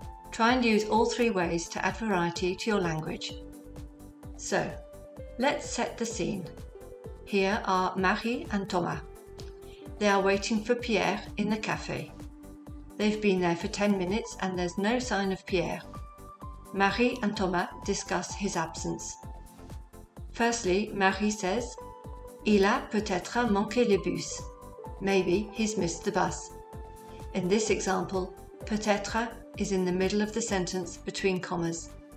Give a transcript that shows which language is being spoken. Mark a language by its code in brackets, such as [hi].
[en] Try and use all three ways to add variety to your language. So, let's set the scene. Here are Marie and Thomas. They are waiting for Pierre in the café. They've been there for 10 minutes and there's no sign of Pierre. Marie and Thomas discuss his absence. Firstly, Marie says, [fr] Il a peut-être manqué le bus. [en] Maybe he's missed the bus. In this example, peut-être is in the middle of the sentence between commas.